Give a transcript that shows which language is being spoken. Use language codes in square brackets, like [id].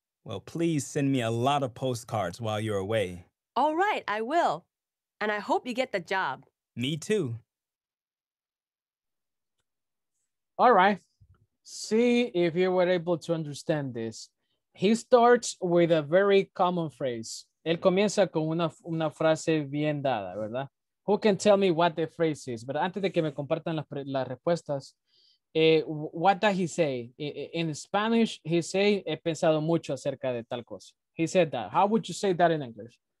[en] Well, please send me a lot of postcards while you're away. All right, I will. And I hope you get the job. Me too. All right, see if you were able to understand this. He starts with a very common phrase. [es] Él comienza con una frase bien dada, ¿verdad? [en] Who can tell me what the phrase is? [es] Pero antes de que me compartan las respuestas, [en] what does he say? In Spanish, he say, [es] he pensado mucho acerca de tal cosa. [en] He said that. How would you say that in English?